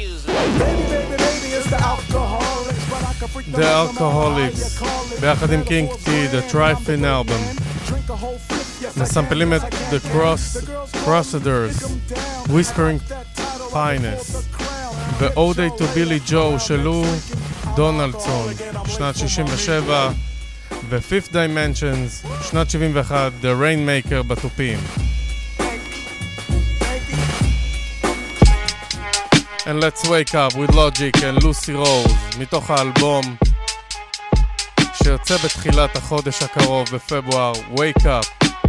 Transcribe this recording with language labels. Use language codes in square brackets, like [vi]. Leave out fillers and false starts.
[en] Baby, it's the alcoholics. [he] The Alcoholics, ביחד עם קינג טי, The Trifin Album. מסמפלים את The Crossers, Whispering Finest, ו-O Day to Billy Joe, שלו דונלדסון, שנת 67, ו-Fifth Dimensions, שנת 71, The Rainmaker בתופים. [en] And let's wake up with Logic and Lucy Rose, [he] מתוך האלבום שיוצא בתחילת החודש הקרוב בפברואר, [en] Wake Up.